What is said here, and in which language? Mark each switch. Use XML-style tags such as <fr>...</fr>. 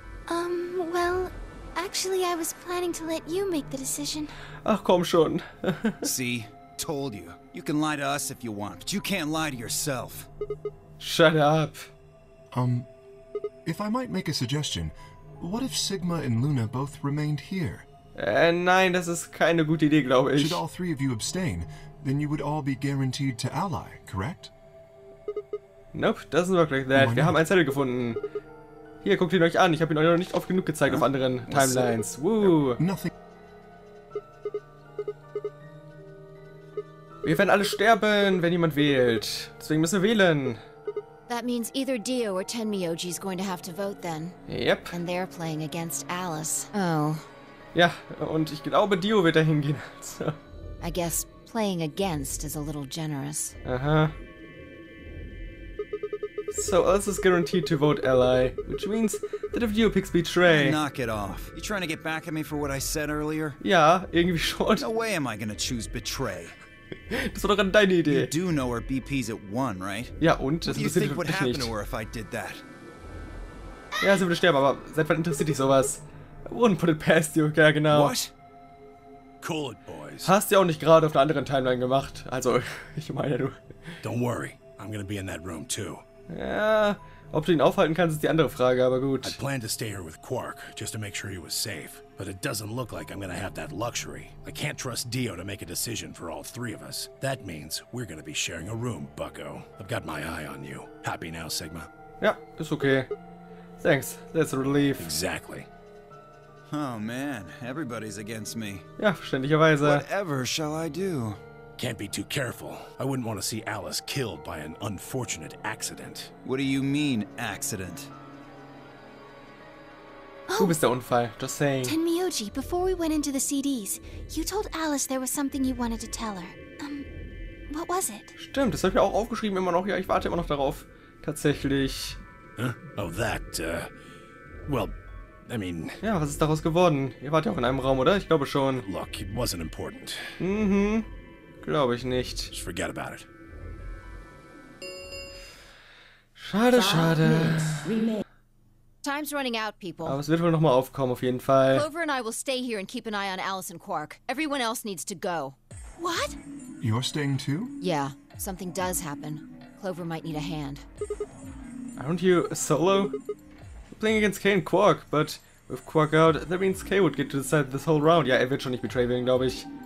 <en>Well, actually I was planning to let you make the decision.</en> <de>Ach, komm schon.</de> <en>See? Told you. You can lie to us if you want, but you can't lie to yourself. Shut up. If I might make a suggestion, what if Sigma and Luna both remained here?</en> <de>Nein, das ist keine gute Idee, glaube ich.</de> <en>Should all three of you abstain, then you would all be guaranteed to ally, correct? Nope, doesn't work like that.</en> <de>Wir haben einen Zettel gefunden. Hier, guckt ihn euch an. Ich habe ihn euch noch nicht oft genug gezeigt auf anderen Timelines. Woo!</de> <en>Nothing.</en> <de>Wir werden alle sterben, wenn jemand wählt. Deswegen müssen wir wählen.</de> <en>That means either Dio or Tenmyoji is going to have to vote then. Yep. And they're playing against Alice. Oh.</en> <de>Ja, und ich glaube, Dio wird dahin gehen. Also.</de> <en>I guess playing against is a little generous. Uh-huh. So Alice is guaranteed to vote Ally, which means that if Dio picks Betray... Knock it off. You trying to get back at me for what I said earlier?</en> <de>Ja, irgendwie schon.</de> <en>No way am I gonna choose Betray.</en> <de>Das war doch gerade deine Idee.</de> <en>You do know her BP's at one, right?</en> <de>Ja, und? Das interessiert mich wirklich nicht.</de> <en>To her if I did that?</en> <de>Ja, sie würde sterben, aber seit wann interessiert dich sowas?</de> <en>I wouldn't put it past you.</en> <de>Ja, genau.</de> <en>What? Cool it, boys.</en> <de>Hast du ja auch nicht gerade auf einer anderen Timeline gemacht. Also, ich meine, du...</de> <en>Don't worry, I'm gonna be in that room too.</en> <de>Ja, ob du ihn aufhalten kannst, ist die andere Frage, aber gut.</de> <en>I planned to stay here with Quark, just to make sure he was safe. But it doesn't look like I'm gonna have that luxury. I can't trust Dio to make a decision for all three of us. That means we're gonna be sharing a room, Bucko. I've got my eye on you. Happy now, Sigma?</en> <de>Ja, ist okay.</de> <en>Thanks, that's a relief. Exactly. Oh man, everybody's against me.</en> <de>Ja, verständlicherweise.</de> <en>Whatever shall I do? Can't be too careful. I wouldn't want to see Alice killed by an unfortunate accident. What do you mean, accident?</en> <de>Oh. Du bist der Unfall,</de> <en>just saying. Tenmyoji, before we went into the CDs, you told Alice there was something you wanted to tell her. What was it?</en> <de>Stimmt, das habe ich auch aufgeschrieben immer noch. Ja, ich warte immer noch darauf. Tatsächlich.</de> <en>Huh? Oh, that, well, I mean...</en> <de>Ja, was ist daraus geworden? Ihr wart ja auch in einem Raum, oder? Ich glaube schon.</de> <en>Look, it wasn't important.</en> <de>Mhm. Glaube ich nicht.</de> <en>Just forget about it.</en> <de>Schade, schade.</de> <en>Time's running out, people.</en> <de>Aber es wird wohl nochmal aufkommen, auf jeden Fall.</de> <en>Clover and I will stay here and keep an eye on Alice and Quark. Everyone else needs to go. What? You're staying too? Yeah, something does happen. Clover might need a hand. Aren't you solo? We're playing against Kay and Quark, but with Quark out, that means Kay would get to decide this whole round.</en> <de>Ja, er wird schon nicht betrayed werden, glaube ich.</de>